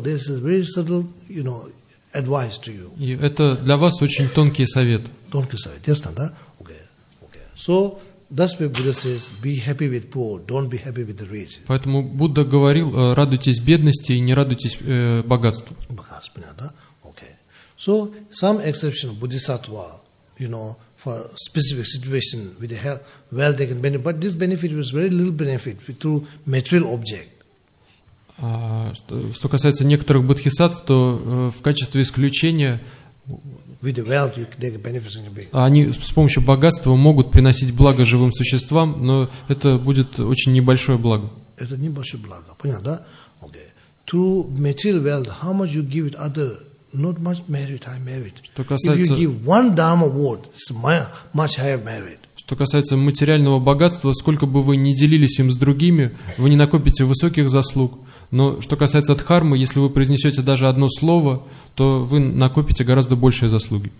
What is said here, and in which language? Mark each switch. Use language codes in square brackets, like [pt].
[en] This is very subtle, you know, advice to you. [ru] И это для вас очень тонкий совет. Тонкий совет, ясно, да? Okay. Okay. [en] So that's why Buddha says, be happy with poor, don't be happy with the rich. [ru] Поэтому Будда говорил, радуйтесь бедности и не радуйтесь богатству. Богатство, понятно, да? [en] So some exception of Bodhisattva, you know, for specific situation with the health, well, they can benefit. But this benefit was very little benefit through material object. [ru] Что касается некоторых бодхисаттв, то в качестве исключения [en] with the wealth, you can take benefits in the being. [ru] Они с помощью богатства могут приносить благо живым существам, но это будет очень небольшое благо. Это небольшое благо, понятно, да? [en] Okay. Through material wealth, how much you give it other? Not much merit, high merit. [ru] Что касается, [en] if you give one dharma word, it's much higher merit. [ru] Что касается материального богатства, сколько бы вы ни делились им с другими, вы не накопите высоких заслуг. Но что касается дхармы, если вы произнесете даже одно слово, то вы накопите гораздо большие заслуги.